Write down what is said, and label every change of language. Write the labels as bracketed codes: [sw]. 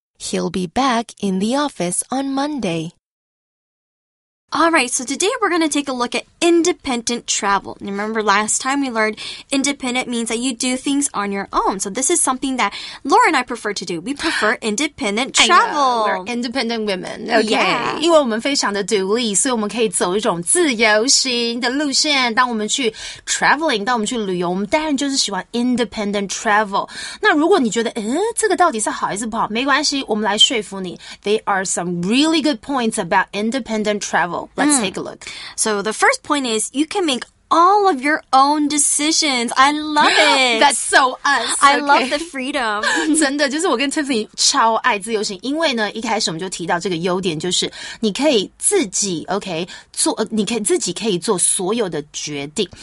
[en] He'll be back in the office on Monday. All right, so today we're going to take a look at independent travel. Remember last time we learned independent means that you do things on your own. So this is something that Laura and I prefer to do. We prefer independent travel. I know, we're independent women. Okay. Yeah. [zh] 因为我们非常的独立，所以我们可以走一种自由行的路线。当我们去 traveling, 当我们去旅游，我们当然就是喜欢 independent travel. 那如果你觉得这个到底是好还是不好，没关系，我们来说服你。 [en] There are some really good points about independent travel. Let's take a look. So the first point is you can make all of your own decisions. I love it. That's so us. I love the freedom. [zh] 真的，就是我跟 Tiffany 超爱自由行，因为呢，一开始我们就提到这个优点，就是你可以自己 OK 做，你可以自己可以做所有的决定。